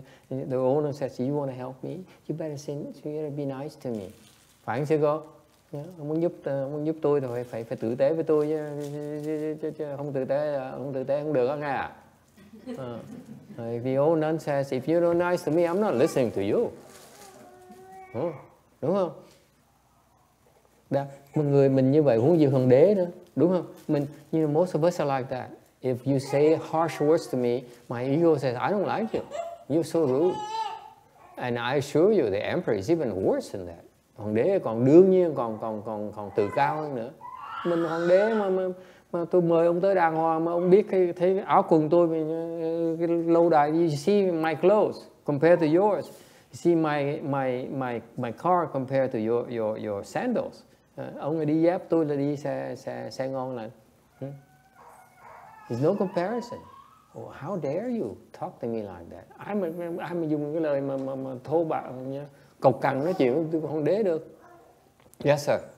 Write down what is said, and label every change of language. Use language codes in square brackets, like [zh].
[en] The old one says, "You want to help me? You better say, you better be nice to me." [vi] Phải không sư cô? Muốn giúp tôi thì phải tử tế với tôi chứ. Không tử tế không được nghe. [en] If the old one says, "If you're not nice to me, I'm not listening to you." [vi] Đúng không? Đã, một người mình như vậy huống gì hoàng đế nữa, đúng không? [en] Mình, you know, most of us are like that. If you say harsh words to me, my ego says, I don't like you. You're so rude. And I assure you, the emperor is even worse than that. [vi] Hoàng đế còn đương nhiên còn tự cao hơn nữa. Mình hoàng đế mà mà tôi mời ông tới đàng hoàng mà ông biết cái thấy áo quần tôi mình cái lâu đài, [en] you see my clothes compared to yours, you see my car compared to your sandals. [vi] Ông đi dép, tôi là đi xe ngon là [en] there's no comparison. Well, how dare you talk to me like that? [vi] I'm dùng cái lời mà thô bạo nhá, cộc cằn nói chuyện tôi không đế được. [en] Yes sir.